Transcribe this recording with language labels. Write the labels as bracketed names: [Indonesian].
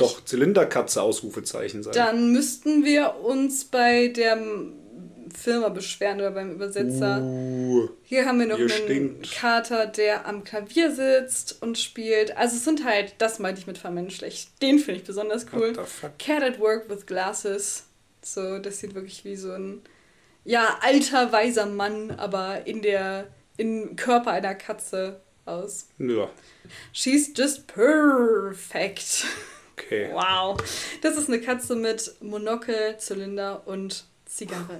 [German] Das ist doch Zylinderkatze, Ausrufezeichen sein. Dann müssten wir uns bei der Firma beschweren oder beim Übersetzer. Hier haben wir noch einen Kater, der am Klavier sitzt und spielt. Also es sind halt, das meinte ich mit vermenschlich. Den finde ich besonders cool. [English] Cat at work with glasses. [German] So, das sieht wirklich wie so ein, ja, alter, weiser Mann, aber im Körper einer Katze aus. Ja. [English] She's just perfect. Okay. Wow. [German] Das ist eine Katze mit Monokel, Zylinder und Zigarre.